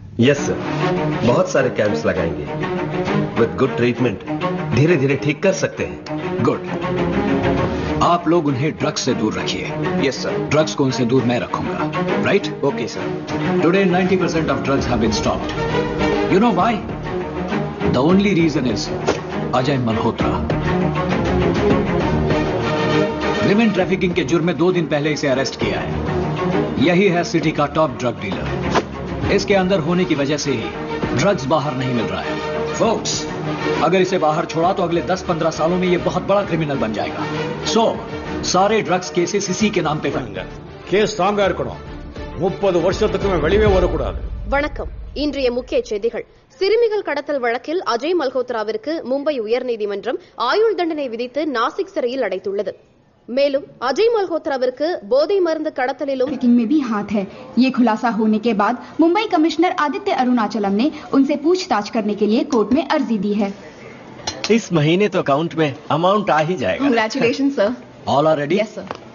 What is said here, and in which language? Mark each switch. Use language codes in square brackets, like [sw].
[hi] Yes sir, बहुत सारे camps लगाएंगे। [en] with good treatment [hi] धीरे धीरे ठीक कर सकते हैं। गुड, आप लोग उन्हें ड्रग्स से दूर रखिए। [en] Yes sir. [hi] ड्रग्स को उनसे दूर मैं रखूंगा। [en] Right. Okay sir. Today 90% of drugs have been stopped. You know why? The only reason is Ajay Malhotra. [hi] Women trafficking के जुर्म में दो दिन पहले इसे अरेस्ट किया है। यही है सिटी का टॉप ड्रग डीलर। इसके अंदर होने की वजह से ही ड्रग्स बाहर नहीं मिल रहा है। Folks, अगर इसे बाहर छोड़ा तो अगले 10-15 सालों में यह बहुत बड़ा क्रिमिनल बन जाएगा। So, सारे ड्रग्स केसेस इसी के नाम पे बनेंगे। [ta] केस स्ट्रांगा இருக்கணும். 30 வருஷத்துக்கு மேல வெளியவே வரக்கூடாது. வணக்கம். இன்றைய முக்கிய செய்திகள். சிறுமிகள் கடத்தல் வழக்கில் அஜய் மல்கோத்ராவிற்கு மும்பை உயர்நீதிமன்றம் ஆயுள் தண்டனை விதித்து நாசிக் சிறையில் அடைத்துள்ளது. மேலும் அஜய் மல்கோத்ராவிற்கு போதை மருந்து கடத்தலிலும் [hi] खुलासा होने के बाद [ta] மும்பை கமிஷனர் [hi] ஆதித்ய அருணாச்சலம் ने उनसे पूछताछ करने के लिए कोर्ट में अर्जी दी है। इस महीने तो अकाउंट में अमाउंट आ ही जाएगा। [en] Congratulation sir. All are ready? Yes sir.